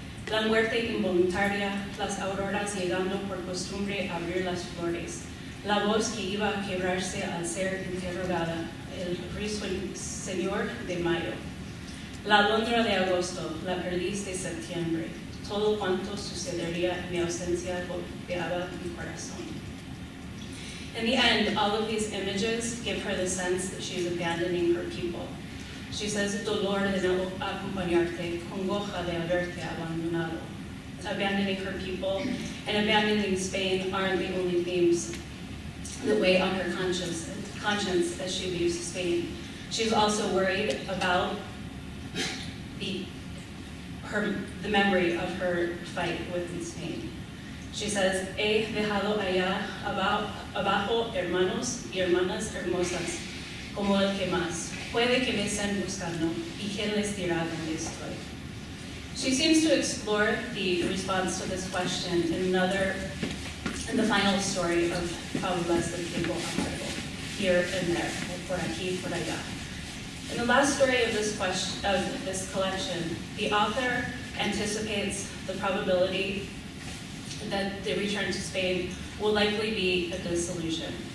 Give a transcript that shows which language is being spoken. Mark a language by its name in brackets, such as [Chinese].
[Spanish] La muerte involuntaria, las auroras llegando por costumbre a abrir las flores. La voz que iba a quebrarse al ser interrogada. El ruiseñor de mayo. La alondra de agosto, la perdiz de septiembre. Todo cuanto sucedería en mi ausencia golpeaba mi corazón." [English] In the end, all of these images give her the sense that she is abandoning her people. She says, [Spanish] "Dolor de no acompañarte, congoja de haberte abandonado." [English] Abandoning her people and abandoning Spain aren't the only themes that weigh on her conscience as she leaves Spain. She's also worried about the memory of her fight with Spain. She says, [Spanish] "He dejado allá abajo hermanos y hermanas hermosas, como el que más. Puede que me estén buscando, y quien les dirá dónde estoy." [English] She seems to explore the response to this question in another, in the final story of Problemas de People Unbearable, Here and There, Por Aquí, Por Allá. In the last story of this question, of this collection, the author anticipates the probability that the return to Spain will likely be a disillusion.